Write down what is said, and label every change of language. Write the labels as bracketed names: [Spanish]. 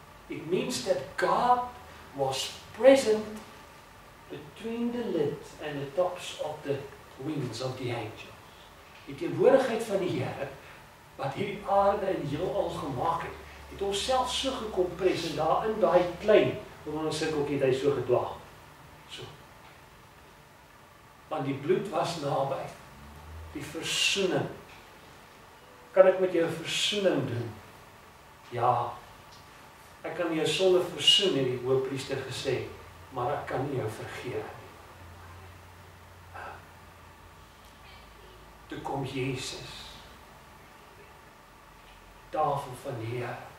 [English] It means that God was present between the lid and the tops of the wings of the angels. [Afrikaans] Die teenwoordigheid van die Here, wat hierdie aarde en heelal gemaak het, het homself so gekompres en daar in daai klein, onder 'n sirkeltjie het hy so gedwaal. So. Want die bloed was naby. Die versoening. Kan ek met jou versoening doen? Ja. Ek kan jou sonde versoen, het die hoofpriester gesê. Maar ek kan nie jou vergeef nie. Toe kom Jesus. Tafel van die Here.